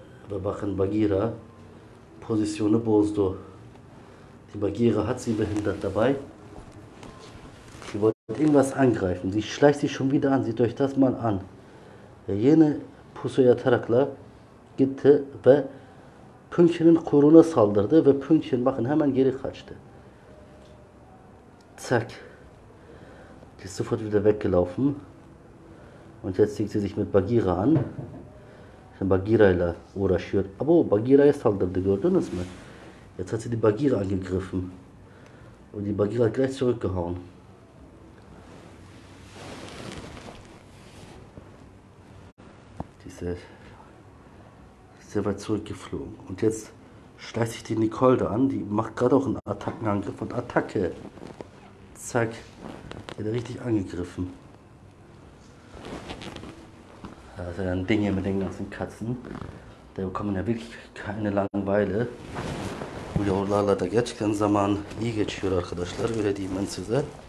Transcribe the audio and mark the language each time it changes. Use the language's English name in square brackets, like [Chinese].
[Turkish] Ve bakın Bagheera pozisyonu bozdu. [German] Die Bagheera hat sie behindert dabei. Sie wollte irgendwas angreifen. Sie schleicht sich schon wieder an, seht euch das mal an. [Turkish] yine pusuya atarakla gitti ve Pünkü'nün kuyruğuna saldırdı ve Pünkü'nün bakın hemen geri kaçtı. Zack. [German] Die ist sofort wieder weggelaufen. Und jetzt zieht sie sich mit Bagheera an. [Turkish] Bagheera ile uğraşıyor. Aber o Bagheera'ya saldırdı, gördünüz mü? [German] Jetzt hat sie die Bagheera angegriffen. Und die Bagheera hat gleich zurückgehauen. Diese sehr weit zurückgeflogen. Und jetzt schleicht sich die Nicole da an, die macht gerade auch einen Attackenangriff und Attacke. Zack, wird richtig angegriffen. Das ist ja ein Ding hier mit den ganzen Katzen. Da bekommen ja wirklich keine Langeweile. [Turkish] Uyarlarla da gerçekten zaman iyi geçiyor arkadaşlar, öyle diyeyim ben size.